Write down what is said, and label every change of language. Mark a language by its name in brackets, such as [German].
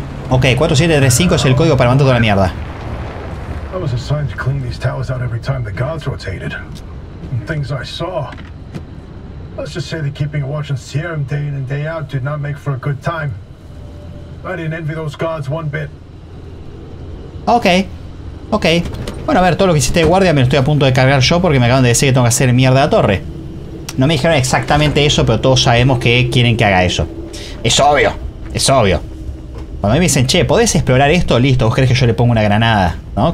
[Spanish] Ok, 4735 es el código para mandar toda la mierda. [English] I was assigned to clean these towers out every time the guards rotated. And things I saw. Let's just say that keeping a watch on Serum day in and day out did not make for a good time. I didn't envy those guards one bit. Ok. Ok. [Spanish] Bueno, a ver, todo lo que hiciste de guardia me lo estoy a punto de cargar yo porque me acaban de decir que tengo que hacer mierda a la torre. No me dijeron exactamente eso, pero todos sabemos que quieren que haga eso. Es obvio. Es obvio. Cuando a mí me dicen, che, ¿podés explorar esto? Listo, ¿vos crees que yo le pongo una granada? ¿No?